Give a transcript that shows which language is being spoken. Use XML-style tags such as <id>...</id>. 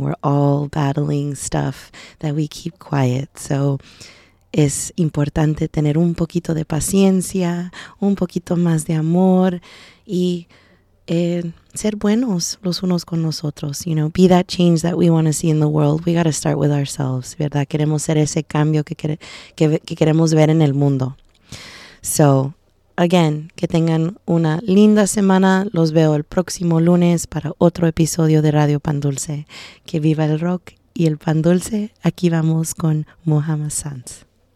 <en>We're all battling stuff that we keep quiet.</en> <es>So es importante tener un poquito de paciencia, un poquito más de amor, y ser buenos los unos con los otros.</es> <en>You know, be that change that we want to see in the world. We got to start with ourselves,</en> <es>¿verdad? Queremos ser ese cambio que queremos ver en el mundo. So again, que tengan una linda semana. Los veo el próximo lunes para otro episodio de Radio Pan Dulce. Que viva el rock y el pan dulce. Aquí vamos con Mohamasans.</es>